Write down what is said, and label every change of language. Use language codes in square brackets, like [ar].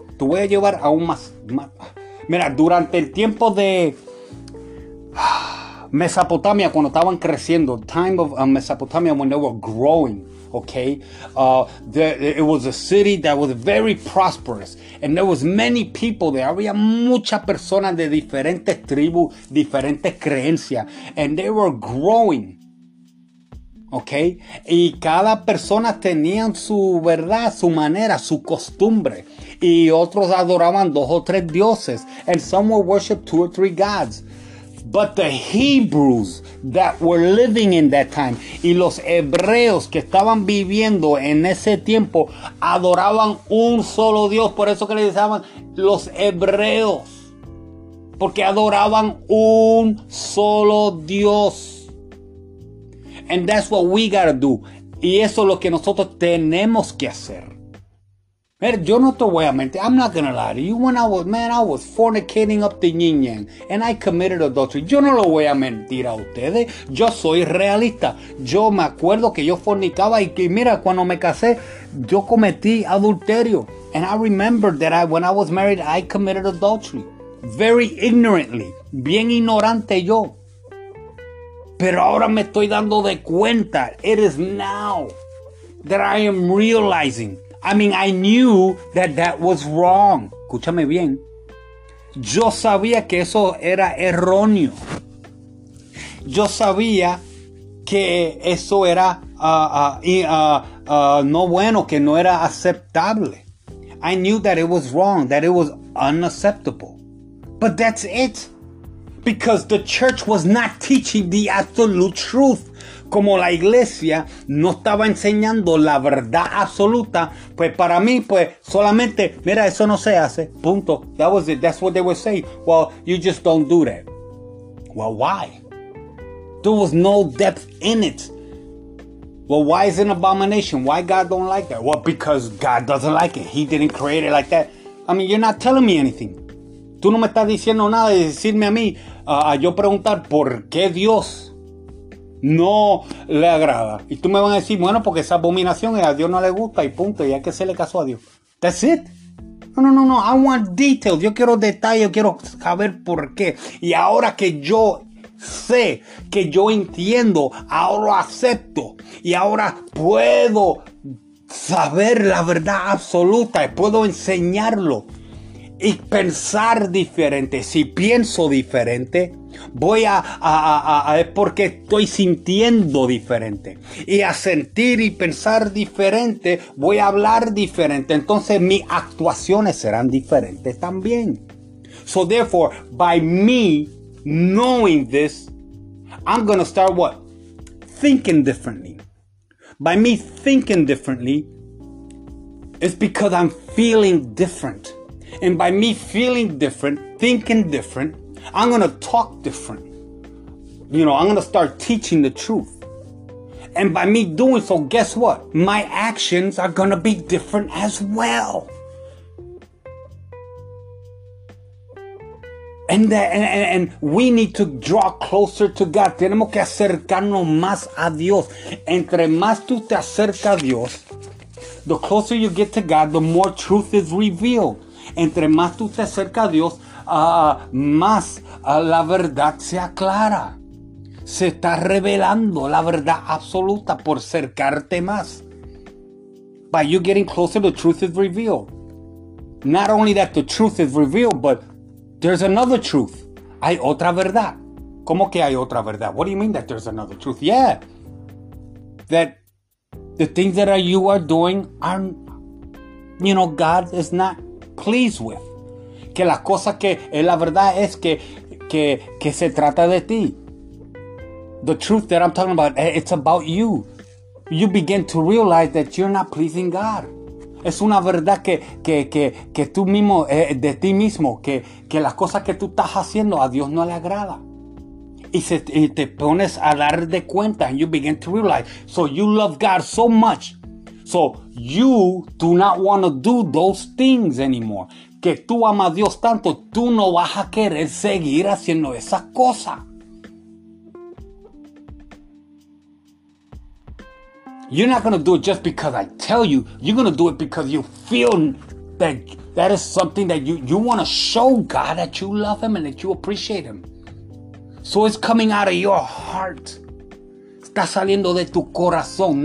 [es] Te voy a llevar aún más, más. Mira, durante el tiempo de Mesopotamia, cuando estaban creciendo, [en] time of Mesopotamia when they were growing, okay? It was a city that was very prosperous. And there was many people there. [es] Había muchas personas de diferentes tribus, diferentes creencias. [en] And they were growing. Okay? [es] Y cada persona tenía su verdad, su manera, su costumbre. Y otros adoraban dos o tres dioses. [en] And some would worship two or three gods. But the Hebrews that were living in that time, [es] y los hebreos que estaban viviendo en ese tiempo, adoraban un solo Dios. Por eso que le decían los hebreos. Porque adoraban un solo Dios. [en] And that's what we gotta do. [es] Y eso es lo que nosotros tenemos que hacer. Mira, yo no te voy a mentir. [en] I'm not gonna lie to you. When I was fornicating up the yin yang and I committed adultery. [es] Yo no lo voy a mentir a ustedes. Yo soy realista. Yo me acuerdo que yo fornicaba y que mira, cuando me casé, yo cometí adulterio. [en] And I remember that when I was married, I committed adultery. Very ignorantly. [es] Bien ignorante yo. Pero ahora me estoy dando de cuenta. [en] It is now that I am realizing. I mean, I knew that that was wrong. [es] Escúchame bien. Yo sabía que eso era erróneo. Yo sabía que eso era no bueno, que no era aceptable. [en] I knew that it was wrong, that it was unacceptable. But that's it. Because the church was not teaching the absolute truth. [es] Como la iglesia no estaba enseñando la verdad absoluta, pues para mí, pues solamente, mira, eso no se hace, punto. [en] That was it, that's what they would say. Well, you just don't do that. Well, why? There was no depth in it. Well, why is it an abomination? Why God don't like that? Well, because God doesn't like it. He didn't create it like that. I mean, you're not telling me anything. [es] Tú no me estás diciendo nada de decirme a mí, a yo preguntar por qué Dios no le agrada. Y tú me vas a decir, bueno, porque esa abominación a Dios no le gusta y punto, y hay que hacerle caso a Dios. [en] That's it. No. I want details. [es] Yo quiero detalles, quiero saber por qué. Y ahora que yo sé, que yo entiendo, ahora acepto y ahora puedo saber la verdad absoluta y puedo enseñarlo. Y pensar diferente. Si pienso diferente, voy a es porque estoy sintiendo diferente. Y a sentir y pensar diferente, voy a hablar diferente. Entonces mis actuaciones serán diferentes también. [en] So therefore, by me knowing this, I'm gonna start what? Thinking differently. By me thinking differently, it's because I'm feeling different. And by me feeling different, thinking different, I'm going to talk different. You know, I'm going to start teaching the truth. And by me doing so, guess what? My actions are going to be different as well. And we need to draw closer to God. [es] Tenemos que acercarnos más a Dios. Entre más tú te acercas a Dios, [en] the closer you get to God, the more truth is revealed. [es] Entre más tú te acercas a Dios, más la verdad se aclara. Se está revelando la verdad absoluta por acercarte más. [en] By you getting closer, the truth is revealed. Not only that the truth is revealed, but there's another truth. [es] Hay otra verdad. ¿Cómo que hay otra verdad? [en] What do you mean that there's another truth? Yeah. That the things that you are doing aren't, you know, God is not pleased with. [es] Que la cosa que es la verdad es que se trata de ti. [en] The truth that I'm talking about, it's about you. You begin to realize that you're not pleasing God. [es] Es una verdad que tú mismo, de ti mismo, que las cosas que tú estás haciendo a Dios no le agrada. Y te pones a dar de cuenta, [en] and you begin to realize. So you love God so much So you do not want to do those things anymore. [es] Que tú amas a Dios tanto, tú no vas a querer seguir haciendo esa cosa. [en] You're not going to do it just because I tell you. You're going to do it because you feel that that is something that you want to show God that you love him and that you appreciate him. So it's coming out of your heart. [es] Está saliendo de tu corazón.